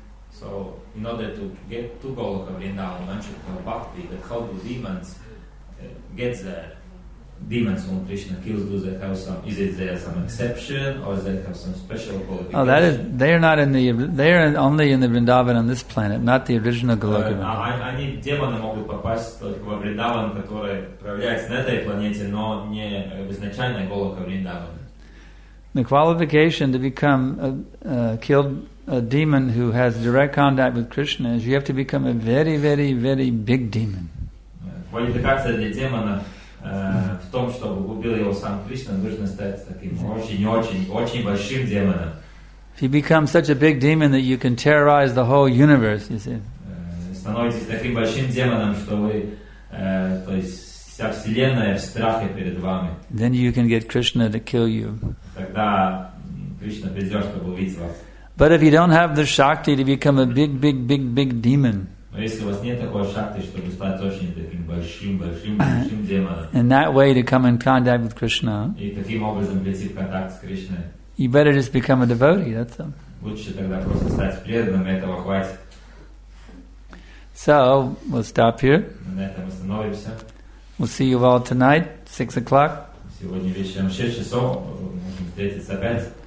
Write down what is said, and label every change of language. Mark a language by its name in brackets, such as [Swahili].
[English] So, in order to get to Goloka Vrindavan, Manchukha Bhakti, that how do demons get there? Demons when Krishna kills, do they have some, is it there some exception, or they have some special qualification? Oh, that is, they are not in the, they are only in the Vrindavan on this planet, not the original Goloka Vrindavan. [Russian] Они, демоны могут попасть только во Вриндаван, который проявляется на этой планете, но не в изначальной Голока Вриндаван. [English] The qualification to become killed a demon who has direct contact with Krishna is you have to become a very, very, very big demon. [Russian] Квалификация для демона в том, чтобы убил его сам Кришна, нужно стать таким очень-очень-очень большим демоном. [English] If you become such a big demon that you can terrorize the whole universe, you see. [Russian] Становитесь таким большим демоном, что вы, то есть, вся вселенная в страхе перед вами. [English] Then you can get Krishna to kill you. [Russian] Тогда Кришна придет, чтобы убить вас. [English] But if you don't have the shakti to become a big, big, big, big demon. [Russian] Но если у вас нет такой шакти, чтобы стать очень таким большим, большим, большим демоном. [English] In that way to come in contact with Krishna. [Russian] И таким образом прийти в контакт с Кришной. [English] You better just become a devotee. That's all. [Russian] Лучше тогда просто стать преданным, этого хватит. [English] So we'll stop here. [Russian] На этом мы остановимся. [English] We'll see you all tonight, 6 o'clock. [Russian] Сегодня вечером 6 часов, можем встретиться опять.